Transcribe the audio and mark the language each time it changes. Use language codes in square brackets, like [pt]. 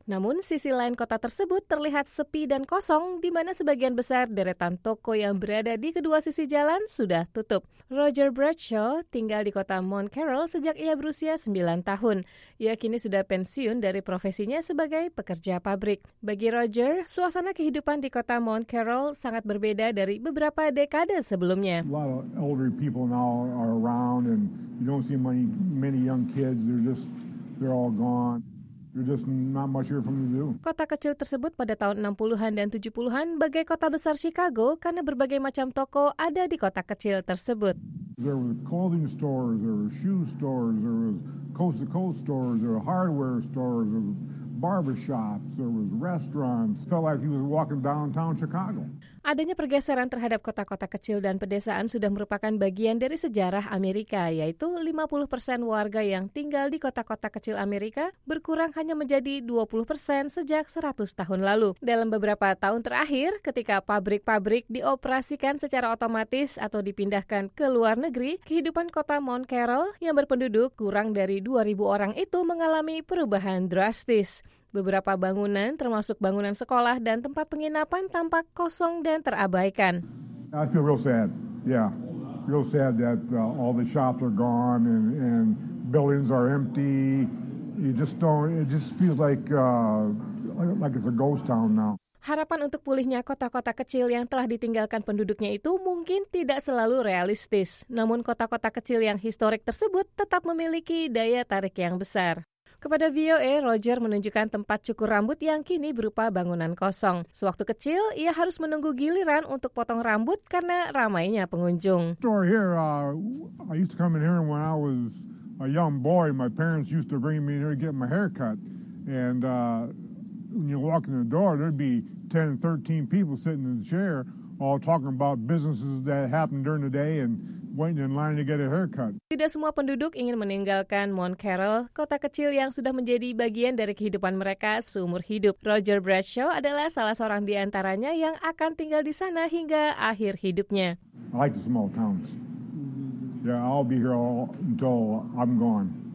[id] Namun, sisi lain kota tersebut terlihat sepi dan kosong, di mana sebagian besar deretan toko yang berada di kedua sisi jalan sudah tutup. Roger Bradshaw tinggal di kota Mount Carroll sejak ia berusia 9 tahun. Ia kini sudah pensiun dari profesinya sebagai pekerja pabrik. Bagi Roger, suasana kehidupan di kota Mount Carroll sangat berbeda dari beberapa dekade sebelumnya. [en] Wow. Older people now are around and you don't see many young kids. They're all gone. There's just not much here for them to do. [id] Kota kecil tersebut pada tahun 60-an dan 70-an bagai kota besar Chicago karena berbagai macam toko ada di kota kecil tersebut. [en] There were clothing stores, there were shoe stores, there was coast to coast stores, there were hardware stores, there was barbershops, there was restaurants. It felt like he was walking downtown Chicago. [id] Adanya pergeseran terhadap kota-kota kecil dan pedesaan sudah merupakan bagian dari sejarah Amerika, yaitu 50% warga yang tinggal di kota-kota kecil Amerika berkurang hanya menjadi 20% sejak 100 tahun lalu. Dalam beberapa tahun terakhir, ketika pabrik-pabrik dioperasikan secara otomatis atau dipindahkan ke luar negeri, kehidupan kota Mount Carroll yang berpenduduk kurang dari 2.000 orang itu mengalami perubahan drastis. Beberapa bangunan, termasuk bangunan sekolah dan tempat penginapan, tampak kosong dan terabaikan. [en] I feel real sad, yeah, real sad that all the shops are gone and buildings are empty. It just feels like it's a ghost town now. [id] Harapan untuk pulihnya kota-kota kecil yang telah ditinggalkan penduduknya itu mungkin tidak selalu realistis. Namun kota-kota kecil yang historik tersebut tetap memiliki daya tarik yang besar. Kepada VOA, Roger menunjukkan tempat cukur rambut yang kini berupa bangunan kosong. Sewaktu kecil, ia harus menunggu giliran untuk potong rambut karena ramainya pengunjung. [en] Store here, I used to come in here when I was a young boy. My parents used to bring me in here to get my hair cut. And when you walk in the door, there'd be 10, 13 people sitting in the chair all talking about businesses that happened during the day and waiting in line to get a haircut. [id] Tidak semua penduduk ingin meninggalkan Mount Carroll, kota kecil yang sudah menjadi bagian dari kehidupan mereka seumur hidup. Roger Bradshaw adalah salah seorang di antaranya yang akan tinggal di sana hingga akhir hidupnya. [en] I like the small towns. Yeah, I'll be here until I'm gone.